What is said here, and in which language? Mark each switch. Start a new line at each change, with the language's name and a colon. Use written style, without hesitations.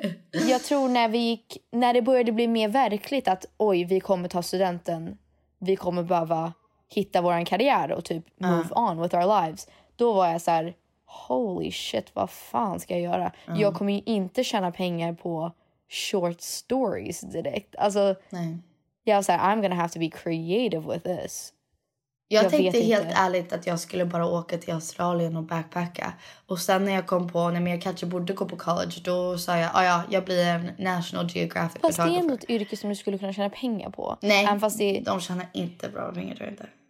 Swedish: Jag tror när det började bli mer verkligt att oj, vi kommer ta studenten, vi kommer behöva hitta vår karriär och typ
English: move on with our lives.
Swedish: Då var jag så här,
English: holy shit,
Swedish: vad fan ska jag göra? Mm. Jag kommer ju inte tjäna pengar på short stories direkt. Alltså, nej. Jag sa,
English: I'm gonna have to be creative with this.
Swedish: Jag tänkte helt ärligt att jag skulle bara åka till Australien och backpacka. Och sen när jag kom på, när jag kanske borde gå på college, då sa jag, ja, jag blir en National Geographic fast
English: photographer.
Swedish: Fast det är ändå ett yrke som du skulle kunna tjäna pengar på. Nej, fast de tjänar inte bra pengar, tror jag inte.